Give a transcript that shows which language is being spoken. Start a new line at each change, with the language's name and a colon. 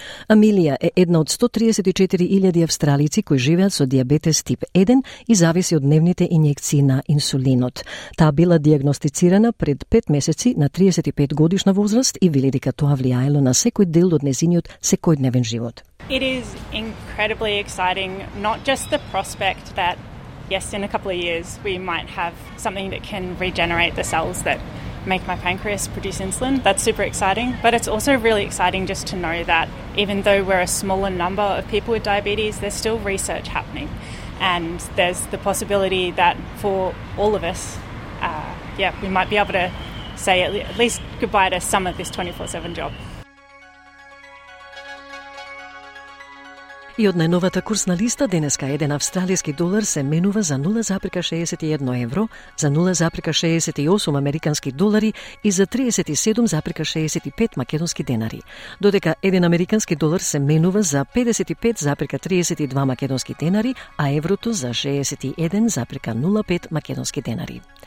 Macedonian: Амилија е една од 134.000 австралици кои живеат со диабетес тип 1 и зависи од дневните инјекции на инсулинот. Таа била диагностицирана пред 5 месеци на 35 годишна возраст и вели дека тоа влијаело на секој дел од незиниот секојдневен живот.
English: It is incredibly exciting, not just the prospect that yes, in a couple of years we might have something that can regenerate the cells that make my pancreas produce insulin. That's super exciting, but it's also really exciting just to know that even though we're a smaller number of people with diabetes, there's still research happening and there's the possibility that for all of us, we might be able to say at least goodbye to some of this 24/7 job.
Macedonian: И од најновата курсна листа, денеска еден австралијски долар се менува за 0,61 евро, за 0,68 американски долари и за 37,65 македонски денари. Додека еден американски долар се менува за 55,32 македонски денари, а еврото за 61,05 македонски денари.